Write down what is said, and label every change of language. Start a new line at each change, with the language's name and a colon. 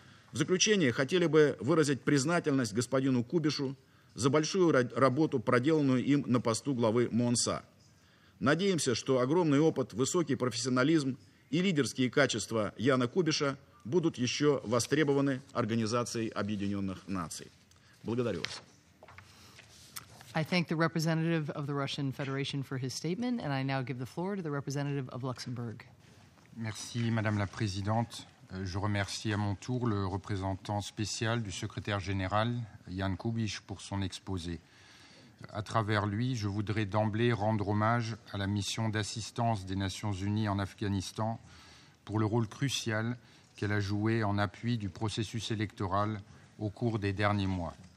Russian: В заключение хотели бы выразить признательность господину Кубишу за большую работу, проделанную им на посту главы МОНСА. Надеемся, что огромный опыт, высокий профессионализм и лидерские качества Яна Кубиша будут еще востребованы Организацией Объединенных Наций. Благодарю вас.
English: I thank the representative of the Russian Federation for his statement, and I now give the floor to the representative of Luxembourg.
French: Merci, Madame la Présidente. Je remercie à mon tour le représentant spécial du secrétaire général, Jan Kubisch, pour son exposé. À travers lui, je voudrais d'emblée rendre hommage à la mission d'assistance des Nations Unies en Afghanistan pour le rôle crucial qu'elle a joué en appui du processus électoral au cours des derniers mois.